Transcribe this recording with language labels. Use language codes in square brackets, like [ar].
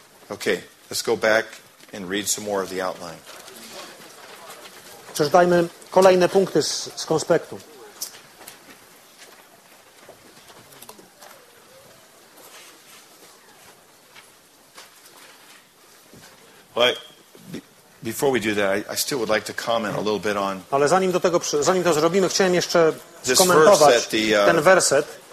[en] Okay, let's go back and read some more of the outline. [pl] Przeczytajmy kolejne punkty z konspektu. [en] Well, before we do that, I still would like to comment a little bit on. [pl] Ale zanim to zrobimy, chciałem jeszcze skomentować ten werset.